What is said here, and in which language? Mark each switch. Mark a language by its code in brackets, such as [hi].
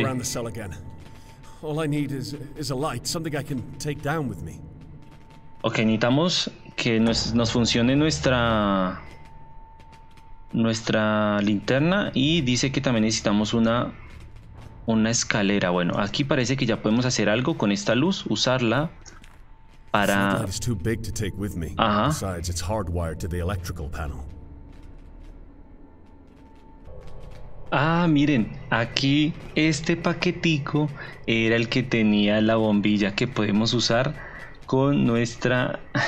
[en] I'll try to look around the cell again. All I need is a light, something I can take down with me. [es] Ok, necesitamos que nos funcione nuestra linterna y dice que también necesitamos una escalera. Bueno, aquí parece que ya podemos hacer algo con esta luz, usarla para... Ajá. [en] Besides, it's hardwired to the electrical panel. [es] Ah, miren, aquí este paquetico era el que tenía la bombilla que podemos usar con nuestra...